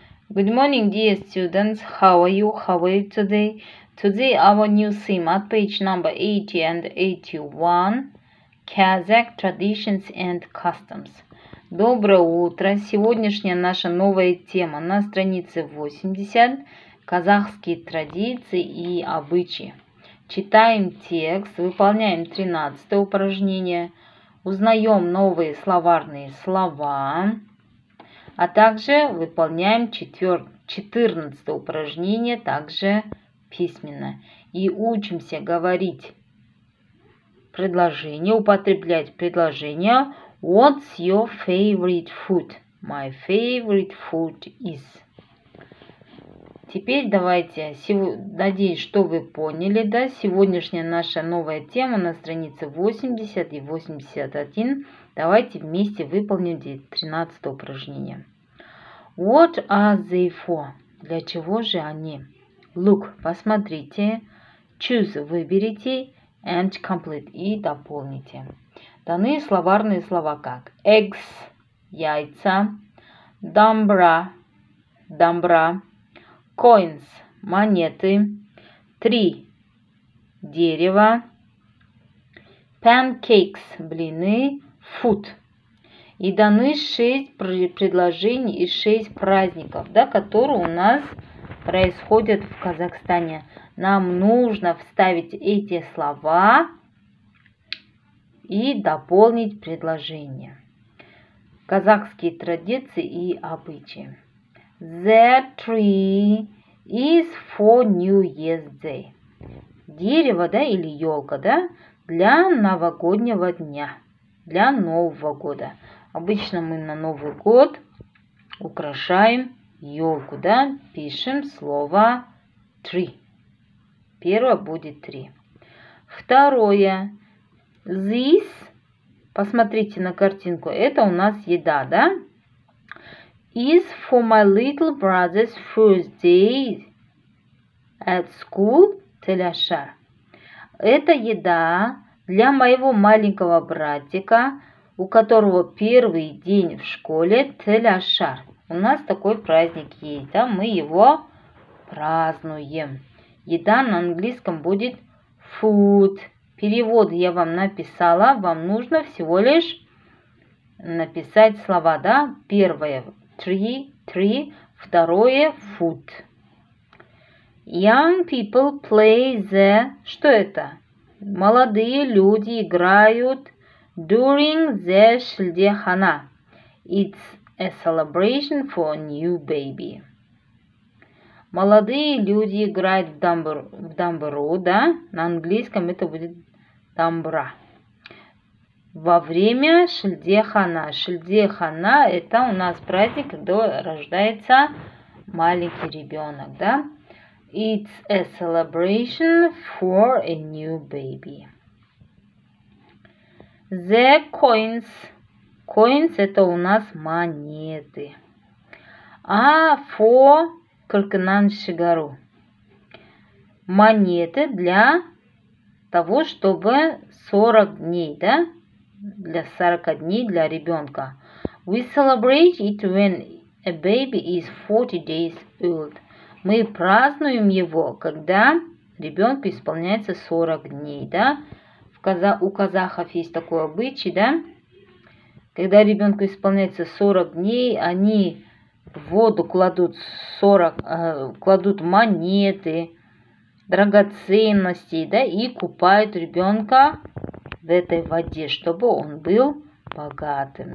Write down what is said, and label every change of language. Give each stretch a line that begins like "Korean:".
English: Good morning, dear students. How are you? How are you today? Today, our new theme at page number 80 and 81, Kazakh traditions and customs.
Russian: Доброе утро! Сегодняшняя наша новая тема на странице 80, казахские традиции и обычаи. Читаем текст, выполняем 13 упражнение, узнаем новые словарные слова, а также выполняем 14 упражнение, также письменно. И учимся говорить предложение, употреблять предложение.
English: What's your favorite food? My favorite food is.
Russian: Теперь давайте, надеюсь, что вы поняли, да, сегодняшняя наша новая тема на странице 80 и 81. Давайте вместе выполним 13 упражнение.
English: What are they for?
Russian: Для чего же они?
English: Look,
Russian: посмотрите.
English: Choose,
Russian: выберите.
English: And complete,
Russian: и дополните. Даны словарные слова как eggs, яйца, дамбра, coins, монеты, tree, дерево, pancakes, блины, food. И даны 6 предложений и 6 праздников, да, которые у нас происходят в Казахстане. Нам нужно вставить эти слова и дополнить предложение. Казахские традиции и обычаи.
English: The tree is for New Year's Day.
Russian: Дерево, да, или елка, да, для новогоднего дня, для Нового года. Обычно мы на Новый год украшаем елку, да, пишем слово tree. Первое будет три. Второе. This. Посмотрите на картинку. Это у нас еда, да?
English: Is for my little brother's first day at school, Теляшар.
Russian: Это еда для моего маленького братика, у которого первый день в школе, Теляшар. У нас такой праздник есть, да? Мы его празднуем. Еда на английском будет food. Перевод я вам написала. Вам нужно всего лишь написать слова, да? Первое tree, второе food.
English: Young people play the...
Russian: Что это? Молодые люди играют
English: during the
Russian: шильдехана.
English: It's a celebration for new baby.
Russian: Молодые люди играют в дамбру, да? На английском это будет дамбра. Во время шильдехана. Шильдехана – это у нас праздник, когда рождается маленький ребенок, да?
English: It's a celebration for a new baby. The coins.
Russian: Coins – это у нас монеты. А for... Кыркынан шигару. Монеты для того, чтобы 40 дней, да? Для 40 дней для ребенка.
English: We celebrate it when a baby is 40 days old.
Russian: Мы празднуем его, когда ребенку исполняется 40 дней, да? У казахов есть такой обычай, да? Когда ребенку исполняется 40 дней, они... В воду кладут 40, кладут монеты, драгоценности, да, и купают ребенка в этой воде, чтобы он был богатым.